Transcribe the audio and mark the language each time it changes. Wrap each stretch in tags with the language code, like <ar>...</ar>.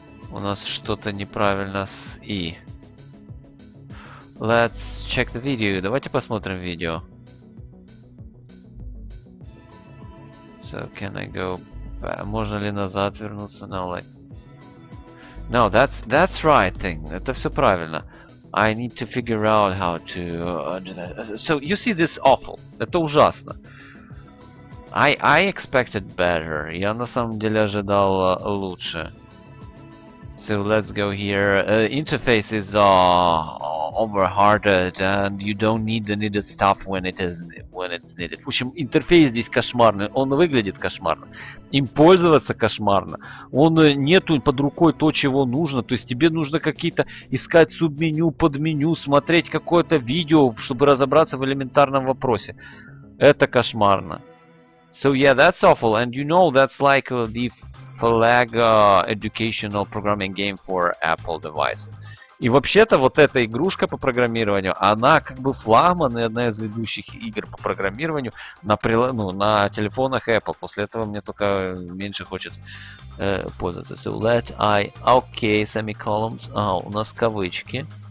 <ru>У нас что-то неправильно с I.</ru> <en>Let's check the video,</en> <ru>давайте посмотрим видео.</ru> <en>So can I go...</en> <ru>Можно ли назад вернуться?</ru> <en>No, like... No, that's right thing.</en> <ru>Это все правильно.</ru> <en>I need to figure out how to do that. So, you see this awful.</en> <ru>Это ужасно.</ru> <en>I expected better.</en> <ru>Я на самом деле ожидал лучше.</ru> <en>So let's go here. Interfaces are overhearted, and you don't need the needed stuff when it is when it's needed.</en> <ru>В общем, интерфейс здесь кошмарный. Он выглядит кошмарно. Им пользоваться кошмарно. Он нету под рукой то, чего нужно. То есть тебе нужно какие-то искать субменю, подменю, смотреть какое-то видео, чтобы разобраться в элементарном вопросе. Это кошмарно.</ru> <en>So yeah, that's awful. And you know, that's like the flag educational programming game for Apple device.</en> <ru>И вообще-то вот эта игрушка по программированию, она как бы флагман и одна из ведущих игр по программированию на телефонах Apple. После этого мне только меньше хочется пользоваться.</ru> <en>So let I... Okay, semicolons.</en> <ru>Ага, у нас кавычки.</ru>